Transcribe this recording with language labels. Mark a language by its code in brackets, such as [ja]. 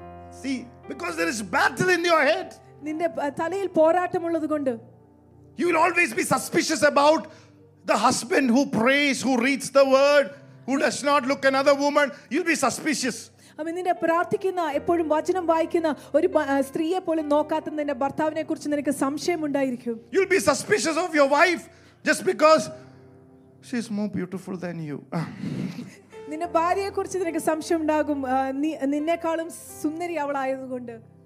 [en] See, because there is battle in your head. [ml] നിന്റെ തലയിൽ പോരാട്ടം ഉള്ളത് കൊണ്ട് [en] you will always be suspicious about the husband who prays, who reads the word, who does not look another woman. You'll be suspicious. [ml] അവൻ നിന്നെ പ്രാർത്ഥിക്കുന്ന, എപ്പോഴും വചനം വായിക്കുന്ന ഒരു സ്ത്രീയെ പോലും നോക്കാത്ത നിന്റെ ഭർത്താവിനെ കുറിച്ച് നിനക്ക് സംശയം ഉണ്ടായിരിക്കും. [en] You'll be suspicious of your wife just because she is more beautiful than you. [ml] നിന്റെ ഭാര്യയെ കുറിച്ച് നിനക്ക് സംശയം ഉണ്ടാകും, നിന്നെക്കാളും സുന്ദരി അവളായതുകൊണ്ട്.